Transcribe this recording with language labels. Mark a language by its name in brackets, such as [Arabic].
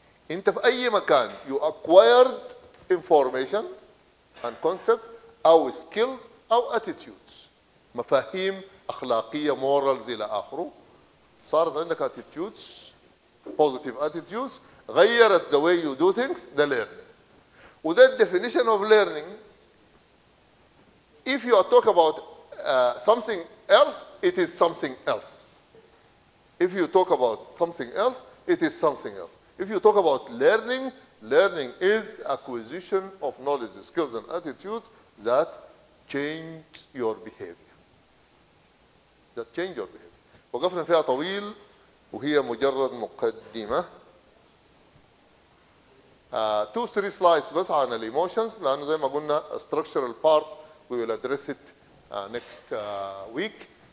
[Arabic] أنت في أي مكان [English] you acquired information and concepts أو skills أو attitudes، [Arabic] مفاهيم أخلاقية [English] morals [Arabic] إلى آخره، صارت عندك [English] attitudes positive attitudes [Arabic] غيرت [English] the way you do things the learning. [Arabic] وده [English] definition of learning. If you are talking about something else, it is something else. If you talk about something else, it is something else. If you talk about learning, learning is acquisition of knowledge, skills, and attitudes that change your behavior. That change your behavior. [Arabic] وقفنا فيها طويل وهي مجرد مقدمة. [English] Two, three slides [Arabic] بس عن [English] the emotions [Arabic] لأنه زي ما قلنا [English] a structural part. We will address it next week.